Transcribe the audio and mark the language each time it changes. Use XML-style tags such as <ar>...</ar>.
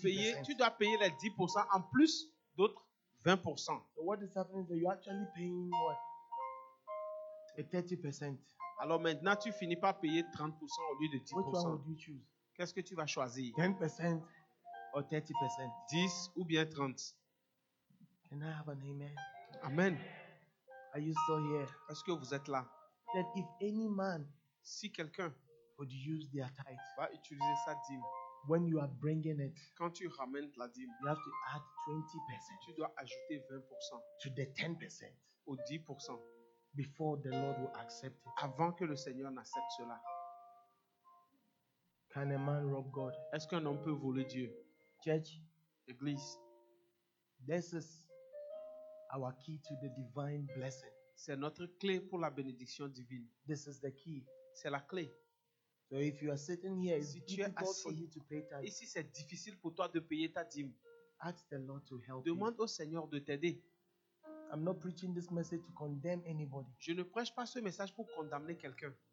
<fr>Payer, tu dois payer les 10% en plus d'autres 20%.</fr> <en>So what is happening is that you're actually paying what? A 30%.</en> <fr>Alors maintenant tu finis par payer 30% au lieu de 10%.</fr> <en>Which one would you choose?</en> <fr>Qu'est-ce que tu vas choisir?</fr> <en>10% or 30%?</en> <fr>10 ou bien 30.</fr> <en>Can I have an amen? Amen. Are you still here?</en> <fr>Est-ce que vous êtes là?</fr> <en>that if any man,</en> <fr>si quelqu'un,</fr> <en>would use their tithe,</en> <fr>va utiliser sa dîme,</fr> <en>when you are bringing it,</en> <fr>quand tu ramènes la dîme,</fr> <en>you have to add 20%.</en> <fr>Tu dois ajouter 20%</fr> <en>to the 10%.</en> <fr>Au 10%.</fr> <en>Before the Lord will accept it.</en> <fr>Avant que le Seigneur n'accepte cela.</fr> <en>Can a man rob God?</en> <fr>Est-ce qu'un homme peut voler Dieu?</fr> <en>Church,</en> <fr>Église,</fr> <en>this is our key to the divine blessing.</en> <fr>C'est notre clé pour la bénédiction divine.</fr> <en>This is the key.</en> <fr>C'est la clé.</fr> <en>So if you are sitting here, it's difficult for you to pay tithe.</en> <fr>Ici, c'est difficile pour toi de payer ta dîme.</fr> <en>Ask the Lord to help.</en> <fr>Demande au Seigneur de t'aider.</fr> <en>I'm not preaching this message to condemn anybody.</en> <fr>Je ne prêche pas ce message pour condamner quelqu'un.</fr>